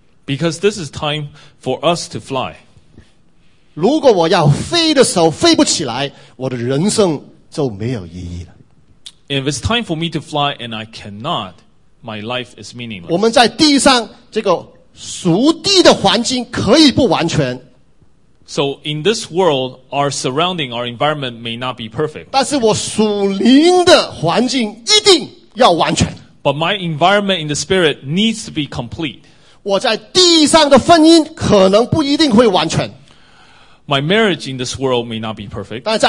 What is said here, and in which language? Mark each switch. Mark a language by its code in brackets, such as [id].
[en] Because this is time for us to fly. [zh] 如果我要飞的时候飞不起来, 我的人生就没有意义了。 [en] If it's time for me to fly and I cannot, my life is meaningless. [zh] 我们在地上, 这个属地的环境可以不完全。 [en] So in this world, our surrounding, our environment may not be perfect. [zh] 但是我属灵的环境一定要完全。 [en] But my environment in the spirit needs to be complete. [zh] 我在地上的婚姻可能不一定会完全。 [en] My marriage in this world may not be perfect.